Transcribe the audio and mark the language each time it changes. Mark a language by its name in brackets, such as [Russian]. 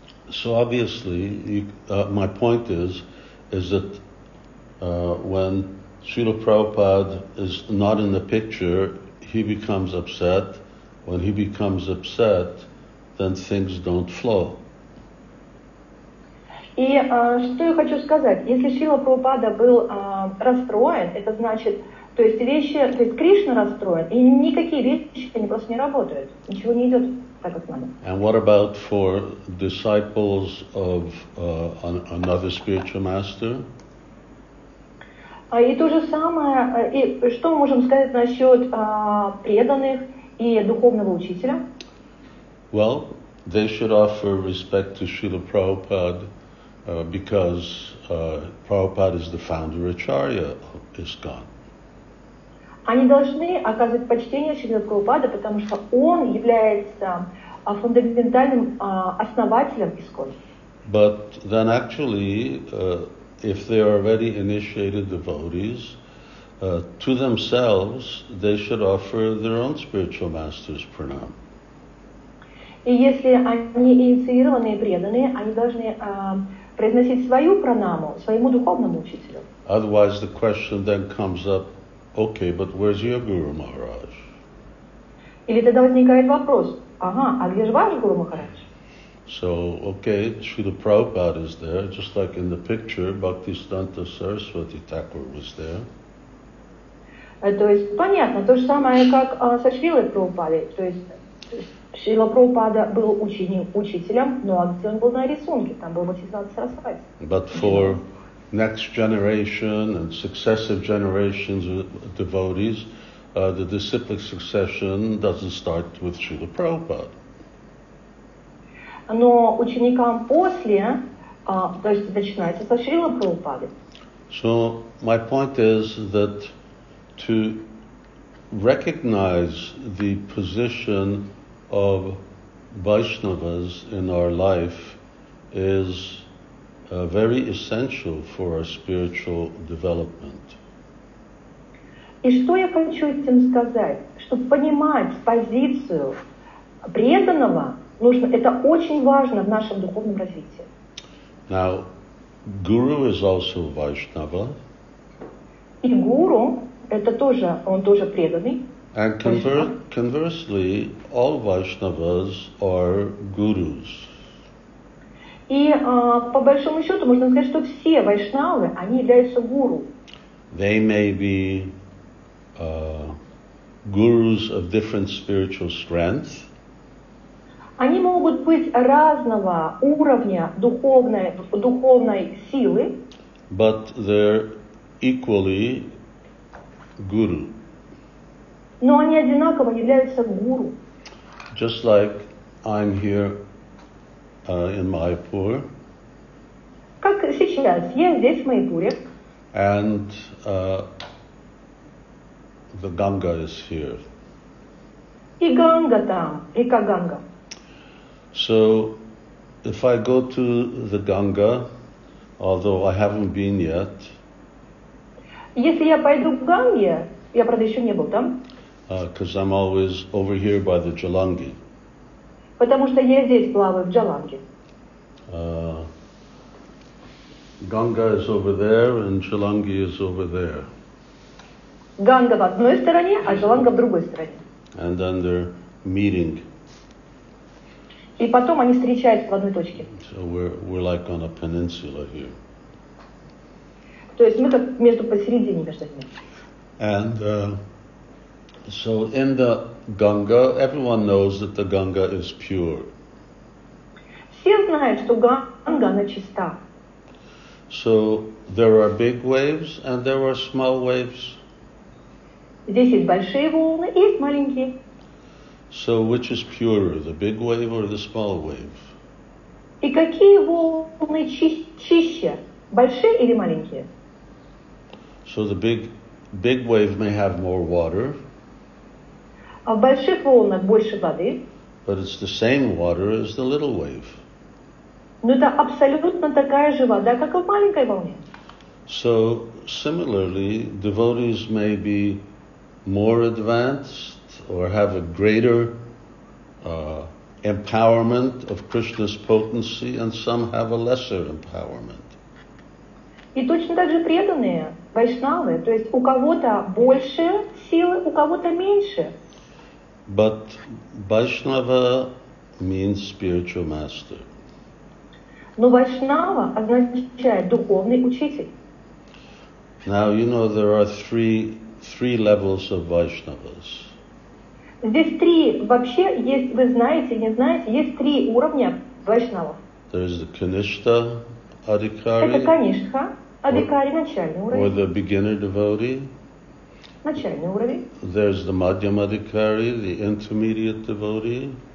[English] So obviously, my point is that when Srila Prabhupada is not in the picture, he becomes upset. When he becomes upset, then things don't flow. [Russian] И что я хочу сказать? Если Шрила Прабхупада был расстроен, это значит, то есть вещи, то есть Кришна расстроен, и никакие вещи они просто не работают, ничего не идет. [English] And what about for disciples of another spiritual master? [Russian] И то же самое, и что мы можем сказать насчет преданных и духовного учителя? [English] Well, they should offer respect to Srila Prabhupada because Prabhupada is the founder Acharya of ISKCON. [Russian] Они должны оказывать почтение Шриле Прабхупаде, потому что он является фундаментальным основателем ISKCON. [English] But then actually, if they are already initiated devotees, to themselves, they should offer their own spiritual master's pranam. [Russian] И если они инициированные преданные, они должны произносить свою пранаму, своему духовному учителю. [English] Otherwise, the question then comes up, okay, but where's your Guru Maharaj? [Russian] Или тогда возникает вопрос, ага, а где же ваш Гуру Махарадж? [English] So, okay, Srila Prabhupada is there, just like in the picture, Bhaktisiddhanta Saraswati Thakur was there. [Russian] То есть, понятно, то же самое, как со Шрилой Прабхупадой. То есть, Шрила Прабхупада был учителем, но где он был на рисунке, там был Бхактисиддханта Сарасвати. [English] But for next generation and successive generations of devotees, the disciplic succession doesn't start with Srila Prabhupada. [Russian] Но ученикам после, то есть начинается со Шрилы Прабхупады. [English] So my point is that to recognize the position of Vaishnavas in our life is very essential for our spiritual development. [Russian] И что я хочу этим сказать? Чтобы понимать позицию преданного, нужно, это очень важно в нашем духовном развитии. [English] Now, guru is also Vaishnava. [Russian] И гуру, это тоже, он тоже преданный. [English] And conversely, all Vaishnavas are gurus. [Russian] И по большому счету можно сказать, что все вайшнавы, они являются гуру. [English] They may be gurus of different spiritual strength. [Russian] Они могут быть разного уровня духовной силы. [English] But they're equally guru. [Russian] Но они одинаково являются гуру. [English] Just like I'm here in Майпур. [Russian] Как сейчас, я здесь, в Майпуре. [English] And the Ганга is here. [Russian] И Ганга там, и как Ганга. [English] So, if I go to the Ganga, although I haven't been yet, [Russian] если я пойду в Ганге, я, правда, еще не был там, [English] because I'm always over here by the Jalangi. [Russian] Потому что я здесь плаваю, в Джаланге. [English] Ганга is over there, and Jalangi is over there. [Russian] Ганга в одной стороне, а Джаланга в другой стороне. [English] And then they're meeting. [Russian] И потом они встречаются в одной точке. [English] So we're like on a peninsula here. [Russian] То есть мы как между посередине, между ними. [English] And so in the Ganga, everyone knows that the Ganga is pure. [Russian] Все знают, что Ганга, она чиста. [English] So there are big waves and there are small waves. [Russian] Здесь есть большие волны и есть маленькие. [English] So which is purer, the big wave or the small wave? [Russian] И какие волны чище, большие или маленькие? [English] So the big wave may have more water. [Russian] А в больших волнах больше воды. [English] But it's the same water as the little wave. [Russian] Но это абсолютно такая же вода, как и в маленькой волне. [English] So similarly, devotees may be more advanced or have a greater empowerment of Krishna's potency, and some have a lesser empowerment. [Russian] И точно так же преданные вайшнавы, то есть у кого-то больше силы, у кого-то меньше. [English] But vaiṣṇava means spiritual master. [Russian] Но вайшнава означает духовный учитель. [English] Now you know there are three levels of vaiṣṇavas. [Russian] Здесь три, вообще, есть, вы знаете, не знаете, есть три уровня вайшнава. [English] There is the Kanishtha Adhikari. [Russian] Это Kanishtha Adhikari, начальный уровень. [English] Or the beginner devotee. [Russian] Начальный уровень. [English] There's the Madhyama Adhikari, the intermediate devotee.